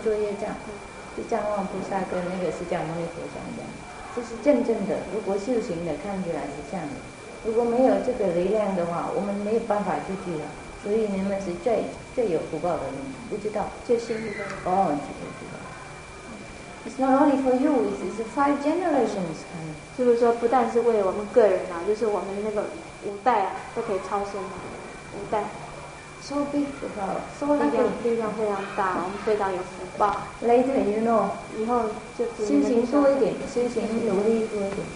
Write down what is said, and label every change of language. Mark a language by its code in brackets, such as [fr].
[zh] 做业障。地藏王菩萨跟那个释迦牟尼佛讲的，这是真正的。如果修行的看起来是这样的，如果没有这个力量的话，我们没有办法出去了。所以你们是最有福报的人，不知道最幸运的哦，知道知道。 [en] It's not only for you, it's five generations coming。 [zh] 就是说，不但是为我们个人啊，就是我们那个五代啊，都可以超生的五代。 [en] So big for us. So big. [zh] 那个力量非常大，我们非常有福报。 [en] Later, you know. [zh] 以后就修行多一点，修行努力多一点。